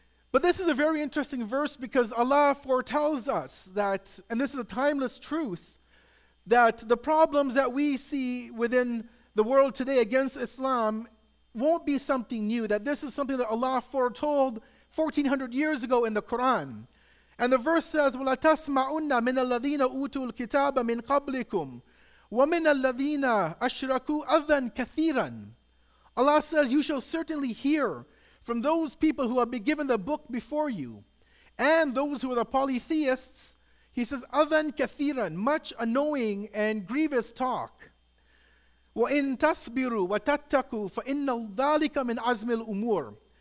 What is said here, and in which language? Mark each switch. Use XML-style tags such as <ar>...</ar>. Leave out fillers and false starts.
<en>But this is a very interesting verse because Allah foretells us that, and this is a timeless truth, that the problems that we see within the world today against Islam won't be something new, that this is something that Allah foretold 1,400 years ago in the Quran. And the verse says,</en> <ar>وَلَتَسْمَعُنَّ مِنَ الَّذِينَ أُوتُوا الْكِتَابَ مِنْ قَبْلِكُمْ وَمِنَ الَّذِينَ أَشْرَكُوا أَذًا كَثِيرًا.</ar> <en>Allah says, you shall certainly hear from those people who have been given the book before you and those who are the polytheists. He says,</en> <ar>أَذًا كَثِيرًا,</ar> <en>much annoying and grievous talk.</en> <ar>وَإِن تَصْبِرُوا وَتَتَّقُوا فَإِنَّ ذَلِكَ مِنْ عَزْمِ الْأُمُورِ.</ar>